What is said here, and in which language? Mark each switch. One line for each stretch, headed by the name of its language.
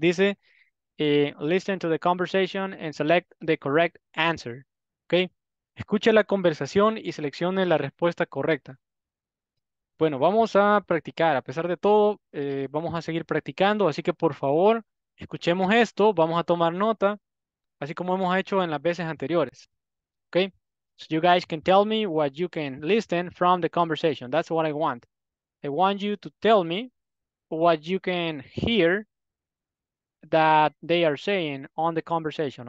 Spanish: Dice,
English: listen to the conversation and select the correct answer. Okay.
Spanish: Escucha la conversación y seleccione la respuesta correcta. Bueno, vamos a practicar. A pesar de todo, vamos a seguir practicando. Así que, por favor, escuchemos esto. Vamos a tomar nota, así como hemos hecho en las veces anteriores.
English: Okay. So you guys can tell me what you can listen from the conversation. That's what I want. I want you to tell me what you can hear that they are saying on the conversation.